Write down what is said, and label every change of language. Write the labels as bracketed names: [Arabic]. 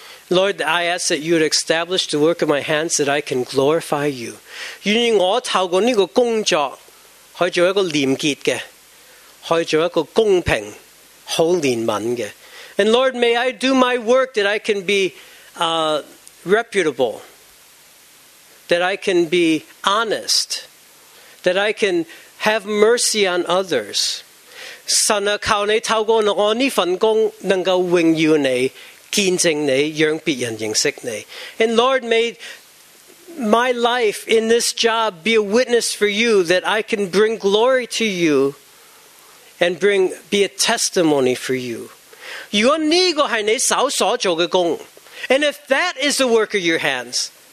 [English] Lord, I ask that you would establish the work of my hands that I can glorify you. [Chinese] 愿意我透过这个工作去做一个廉洁的, 去做一个公平,好怜悯的。 [English] And Lord, may I do my work that I can be reputable, that I can be honest, that I can have mercy on others. [Chinese] 神啊,靠你透过我这份工,能够荣耀你,见证你,让别人认识你。 [English] And Lord, may my life in this job be a witness for you, that I can bring glory to you, and bring be a testimony for you. [Chinese] 如果这个是你手所做的工, [English] and if that is the work of your hands,